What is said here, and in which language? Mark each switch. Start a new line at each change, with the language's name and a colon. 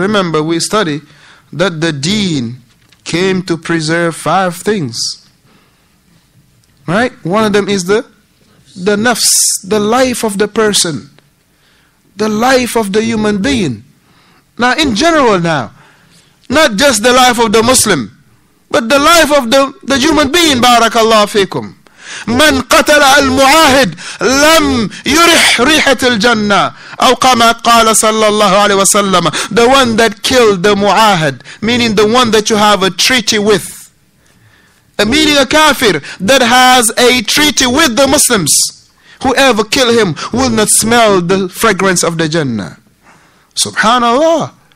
English: Remember, we study that the deen came to preserve five things. Right? One of them is the nafs, the life of the person, the life of the human being. Now, in general now, not just the life of the Muslim, but the life of the human being, barakallahu feekum.
Arabic: من قتل المعاهد لم يرح ريحة الجنة أو كما قال صلى الله عليه وسلم.
English: The one that killed the mu'ahid, meaning the one that you have a treaty with, meaning a kafir that has a treaty with the Muslims, whoever kill him will not smell the fragrance of the Jannah. Subhanallah.